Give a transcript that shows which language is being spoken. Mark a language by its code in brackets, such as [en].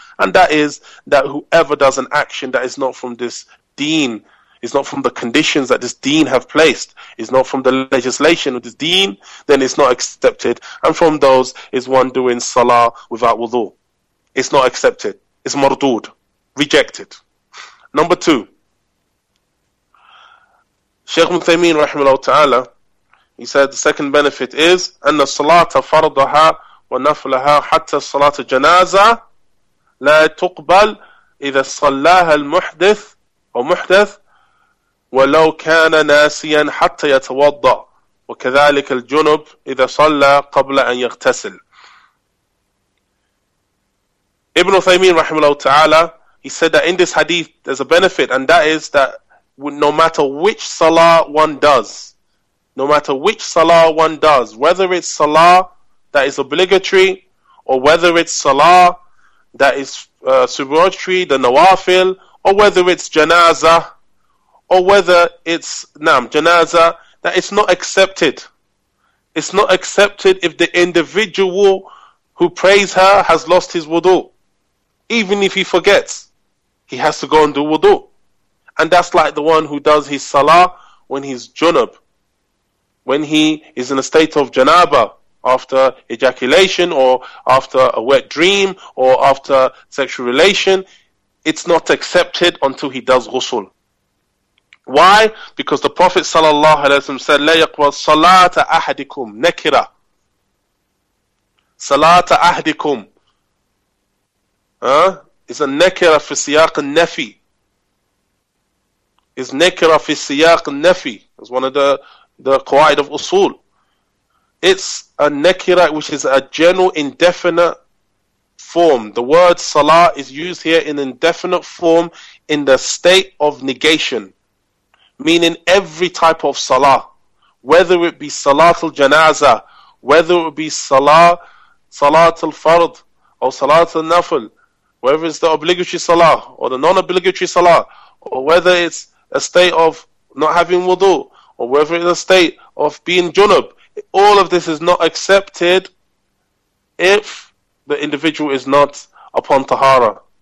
[en] And that is that whoever does an action that is not from this deen, is not from the conditions that this deen have placed, is not from the legislation of this deen, then it's not accepted. And from those is one doing salah without wudu. It's not accepted. It's mardood. Rejected. Number two, Shaykh Ibn Thaymeen rahimahullah ta'ala, he said the second benefit is [ar] أن الصلاة فرضها ونفلها حتى الصلاة جنازة لا تقبل إذا صلاها المحدث أو محدث ولو كان ناسيا حتى يتوضأ وكذلك الجنب إذا صلى قبل أن يغتسل. [en] Ibn Uthaymeen rahimahullah ta'ala, he said that in this hadith there's a benefit, and that is that no matter which salah one does, no matter which salah one does, whether it's salah that is obligatory or whether it's salah that is supplementary, the nawafil, or whether it's janazah, or whether it's janazah, that it's not accepted. It's not accepted if the individual who prays her has lost his wudu. Even if he forgets, he has to go and do wudu. And that's like the one who does his salah when he's junub, when he is in a state of janaba, after ejaculation, or after a wet dream, or after sexual relation. It's not accepted until he does ghusl. Why? Because the Prophet ﷺ said, [ar] لا يقبل صلاة أحدكم نكرة. صلاة أحدكم. [en] Is a [ar] نكرة في سياق النفي. Is نكرة في سياق النفي. [en] It's one of the قواعد of أصول. It's a نكرة, which is a general indefinite form. The word salah is used here in indefinite form in the state of negation. Meaning every type of salah, whether it be salatul janazah, whether it be salatul fard, or salatul nafl, whether it's the obligatory salah, or the non-obligatory salah, or whether it's a state of not having wudu, or whether it's a state of being junub, all of this is not accepted if the individual is not upon tahara.